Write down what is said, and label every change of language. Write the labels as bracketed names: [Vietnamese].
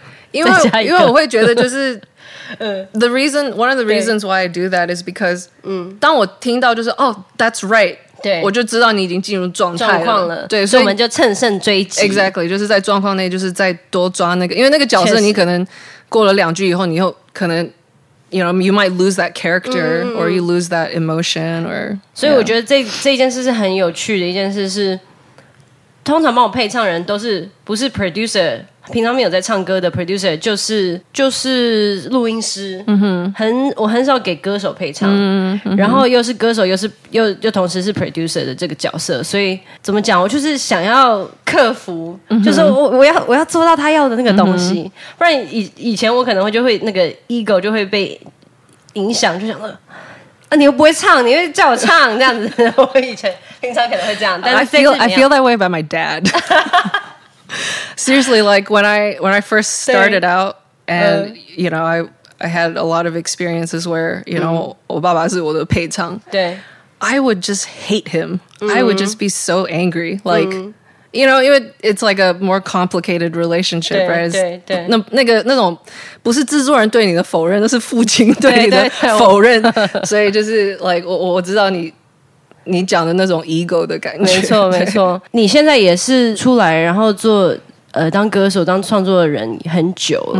[Chinese] 因为我会觉得就是 [English] the reason one of the reasons why I do that is because、嗯、 [Chinese] 当我听到就是哦、 [English] oh, that's right， [Chinese] 对，我就知道你已经进入状况了，对，所以我们就乘胜追击， [English] exactly [Chinese] 就是在状况内就是再多抓那个，因为那个角色你可能过了两句以后你又可能 [English] You know, you might lose that character、嗯、 or you lose that emotion or, [Chinese] 所以我觉得这件事是很有趣的一件事，是通常帮我配唱人都是不是 producer， 平常没有在唱歌的 producer 就是录音师、嗯、哼，我很少给歌手配唱、嗯、然后又是歌手又同时是 producer 的这个角色，所以怎么讲我就是想要克服、嗯、就是我要做到他要的那个东西、嗯、不然 以前我可能就会那个 ego 就会被影响，就想到啊、你又不会唱，你会叫我唱这样子。我以前平常可能会这样，但是 [English] I feel that way about my dad. Seriously, like when I first started out, and、you know, I had a lot of experiences where you know,、嗯、 [Chinese] 我爸爸是我的配唱。对 [English] ，I would just hate him.、嗯、I would just be so angry. Like,、 You know, [Chinese] 因为 [English] it's like a more complicated relationship, [Chinese] 对, [English] right? [Chinese] 对对。那种不是制作人对你的否认，那是父亲对你的否认。所以就是 [English] like [Chinese] 我知道你讲的那种 ego 的感觉。没错没错。你现在也是出来，然后做当歌手、当创作的人很久了。